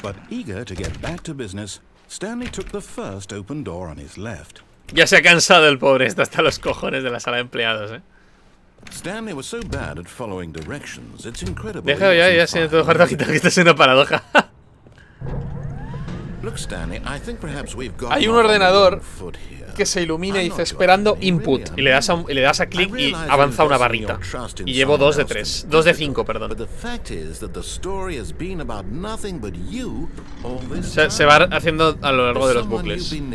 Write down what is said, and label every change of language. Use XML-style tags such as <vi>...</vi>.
<en>But eager to get back to business, Stanley took the first open door on his left.</en> <es>Ya se ha cansado el pobre, está hasta los cojones de la sala de empleados, eh.</es> <en>Stanley was so bad at following directions, it's incredible.</en> <es>Déjalo ya, ya siento todo jardajito, que esto es una paradoja.</es> <en>Look, Stanley, I think perhaps we've got.</en> <es>Hay un ordenador que se ilumina y dice esperando input. Y le das a clic y avanza una barrita. Y llevo 2 de 3. 2 de 5, perdón. O sea, se va haciendo a lo largo de los bucles.</es>